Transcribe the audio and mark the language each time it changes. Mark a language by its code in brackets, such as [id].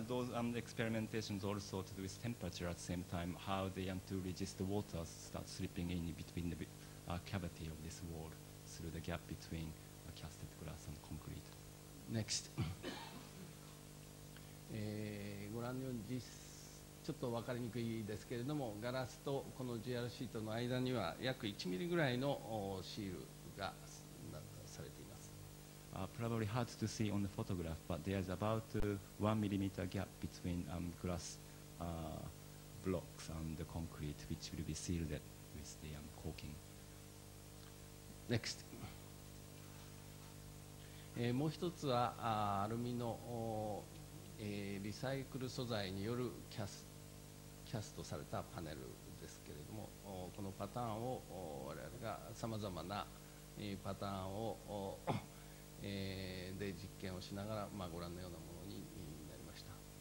[en] Those experimentations also to do with temperature at the same time, how they to resist the water start slipping in between the cavity of this wall through the gap between a casted glass and concrete. Next. [ja] ご覧のようにちょっと分かりにくいですけれども、ガラスとこの GR シートの間には約1ミリぐらいのシールがされています。 [en] Probably hard to see on the photograph, but there is about 1 millimeter gap between glass blocks and the concrete, which will be sealed with the coating. Next. [ja] もう一つはアルミのリサイクル素材によるキャストされたパネルですけれども、このパターンを我々がさまざまなパターンをで実験をしながら、まあ、ご覧のようなものになりました。